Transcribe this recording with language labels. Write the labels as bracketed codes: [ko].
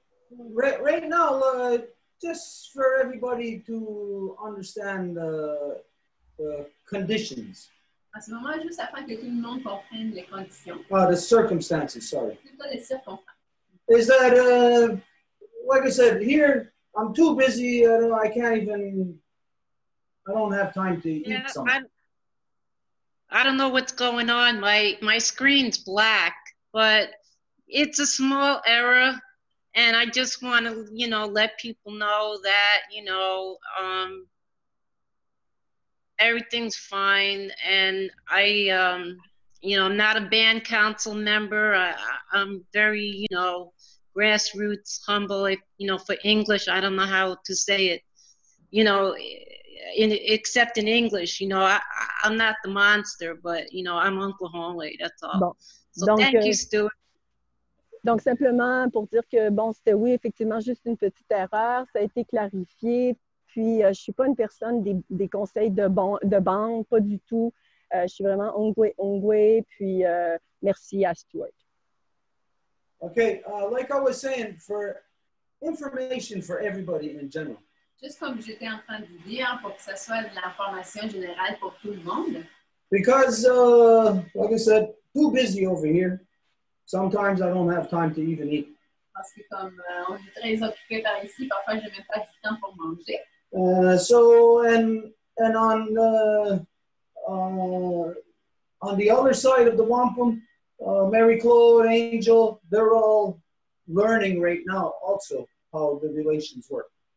[en] Right now, just for everybody to understand the conditions. [fr] À ce moment, juste afin que tout le monde comprenne les conditions. [en] The circumstances, sorry. [fr] Plutôt les circonstances. [en] Is that, like I said, here, I'm too busy, I can't even, I don't have time to eat something. I don't know what's going on, my screen's black, but it's a small error, and I just want to, you know, let people know that, you know, everything's fine, and I, you know, I'm not a band council member, I'm very, you know, grassroots, humble, you know, for English, I don't know how to say it, you know, except in English, you know, I'm not the monster, but, you know, I'm Uncle Hongwei, that's all. Bon. So donc, thank you, Stuart. [fr] Donc, simplement pour dire que, bon, c'était oui, effectivement, juste une petite erreur, ça a été clarifié, puis je suis pas une personne des conseils de banque, pas du tout, je suis vraiment Hongwei, puis merci à Stuart. [en] Okay, like I was saying, for information for everybody in general. [fr] Just comme j'étais en train de vous dire, pour que ça soit de l'information générale pour tout le monde. [en] Because, like I said, too busy over here. Sometimes I don't have time to even eat. [fr] Parce que comme on est très occupé par ici, parfois je n'ai même pas du temps pour manger. [en] On the other side of the wampum, Marie-Claude, Angel, they're all learning right now also how the relations work.